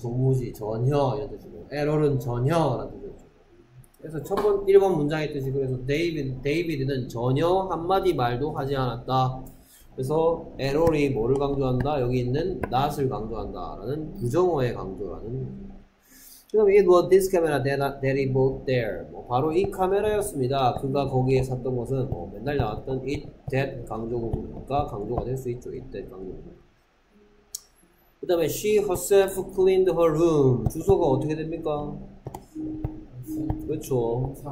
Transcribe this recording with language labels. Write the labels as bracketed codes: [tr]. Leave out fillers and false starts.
[ko] 도무지 전혀 이런 뜻이고, 에롤은 전혀라는 뜻이었죠. 그래서 첫 번, 1번 문장의 뜻이, 그래서 데이비드는 전혀 한마디 말도 하지 않았다. 그래서 에롤이 뭐를 강조한다? 여기 있는 not을 강조한다 라는 부정어의 강조라는. 그 다음에 [en] it was this camera that he bought there. [ko] 뭐 바로 이 카메라였습니다. 그가 거기에 샀던 것은 뭐 맨날 나왔던 it that 강조가 강조가 될 수 있죠. [en] it that [ko] 강조가. 그 다음에 [en] she herself cleaned her room. [ko] 주소가 어떻게 됩니까? 그렇죠.